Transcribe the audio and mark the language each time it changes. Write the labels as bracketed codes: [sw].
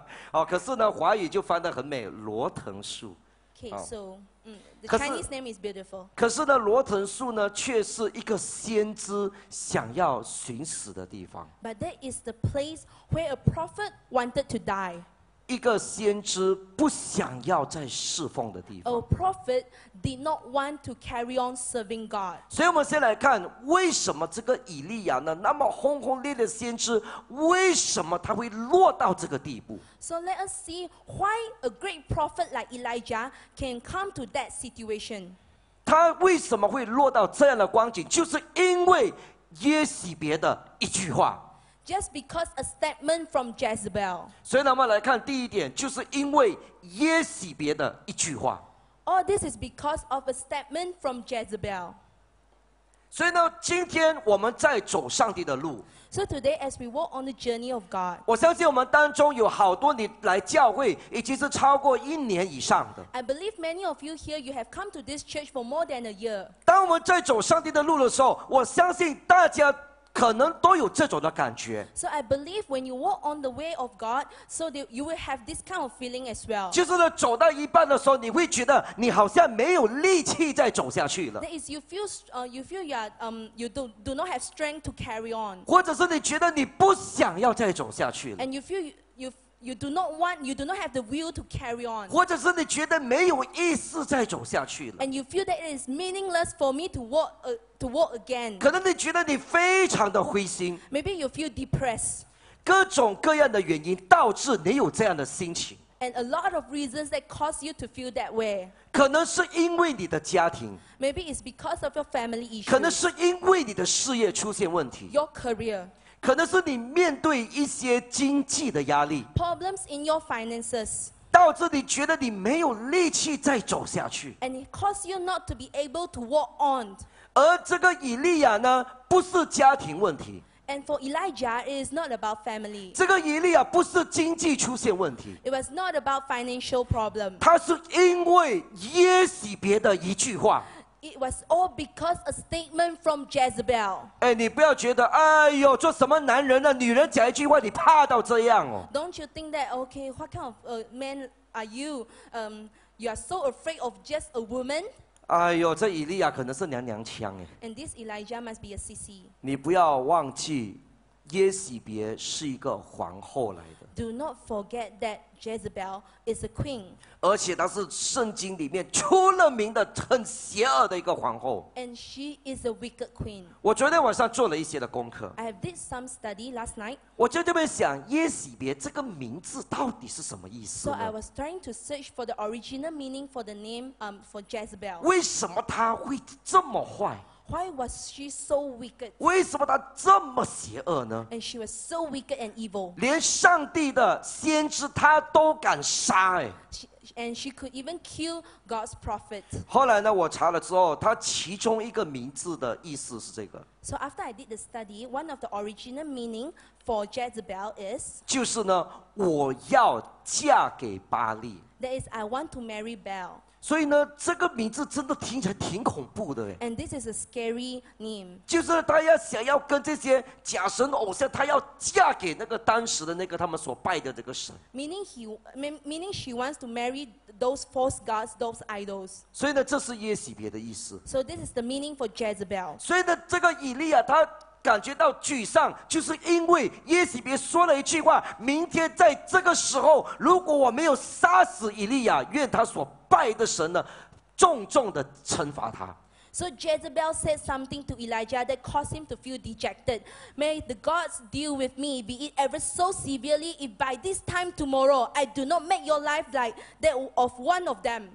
[zh] 好，可是呢，华语就翻得很美，罗藤树。 [en] Okay, so, the Chinese name is beautiful. [zh] 可是呢，罗藤树呢，却是一个先知想要寻死的地方。 [en] But that is the place where a prophet wanted to die. [zh] 一个先知不想要再侍奉的地方。 [en] A prophet did not want to carry on serving God. [zh] 所以我们先来看，为什么这个以利亚呢？那么轰轰烈烈的先知，为什么他会落到这个地步？ [en] So let us see why a great prophet like Elijah can come to that situation. [zh] 他为什么会落到这样的光景？就是因为耶洗别的一句话。 [en] Just because a statement from Jezebel. [zh] 所以我们来看第一点，就是因为耶洗别的一句话。 [en] All this is because of a statement from Jezebel. [zh] 所以呢，今天我们在走上帝的路。 [en] So today, as we walk on the journey of God, [zh] 我相信我们当中有好多你来教会已经是超过一年以上的。 [en] I believe many of you here, you have come to this church for more than a year. [zh] 当我们在走上帝的路的时候，我相信大家。可能都有这种的感觉。 [en] So I believe when you walk on the way of God, so you will have this kind of feeling as well. [zh] 就是呢，走到一半的时候，你会觉得你好像没有力气再走下去了。 [en] That is, you feel you are you do not have strength to carry on. [zh] 或者是你觉得你不想要再走下去了。 [en] And you feel you do not have the will to carry on. [zh] 或者是你觉得没有意思再走下去了。 [en] And you feel that it is meaningless for me to walk to walk again. [zh] 可能你觉得你非常的灰心。 [en] Maybe you feel depressed. [zh] 各种各样的原因导致你有这样的心情。 [en] And a lot of reasons that cause you to feel that way. [zh] 可能是因为你的家庭。 [en] Maybe it's because of your family issues. [zh] 可能是因为你的事业出现问题。 [en] Your career. [zh] 可能是你面对一些经济的压力 [en] ，problems in your finances， [zh] 导致你觉得你没有力气再走下去 [en] ，and it causes you not to be able to walk on。 [zh] 而这个以利亚呢，不是家庭问题 [en] ，and for Elijah it is not about family。 [zh] 这个以利亚不是经济出现问题 [en] ，it was not about financial problem。 [zh] 他是因为耶洗别的一句话。 [en] It was all because a statement from Jezebel. [zh] 哎，你不要觉得，哎呦，做什么男人呢？女人讲一句话，你怕到这样哦。 [en] Don't you think that okay? What kind of man are you? You are so afraid of just a woman. [zh] 哎呦，这以利亚可能是娘娘腔哎。 [en] And this Elijah must be a sissy. [zh] 你不要忘记，耶洗别是一个皇后来的。 [en] Do not forget that Jezebel is a queen. [zh] 而且她是圣经里面出了名的很邪恶的一个皇后。 [en] And she is a wicked queen. [zh] 我昨天晚上做了一些的功课。 [en] I did some study last night. [zh] 我在这边想耶洗别这个名字到底是什么意思。 [en] So I was trying to search for the original meaning for the name for Jezebel. [zh] 为什么她会这么坏？ [en] Why was she so wicked? [zh] 为什么她这么邪恶呢？ [en] And she was so wicked and evil. [zh] 连上帝的先知她都敢杀哎。 [en] And she could even kill God's prophet. [zh] 后来呢，我查了之后，她其中一个名字的意思是这个。 [en] So after I did the study, one of the original meaning for Jezebel is [zh] 就是呢，我要嫁给巴利。 [en] That is, I want to marry Baal. [zh] 所以呢，这个名字真的听起来挺恐怖的。 [en] And this is a scary name. [zh] 就是他要想要跟这些假神偶像，他要嫁给那个当时的那个他们所拜的这个神。 [en] Meaning she wants to marry those false gods, those idols. [zh] 所以呢，这是耶洗别的意思。 [en] So this is the meaning for Jezebel. [zh] 所以呢，这个以利亚他感觉到沮丧，就是因为耶洗别说了一句话：明天在这个时候，如果我没有杀死以利亚，愿他所拜的神呢，重重的惩罚他。 [en] So Jezebel said something to Elijah that caused him to feel dejected. May the gods deal with me, be it ever so severely, if by this time tomorrow I do not make your life like that of one of them.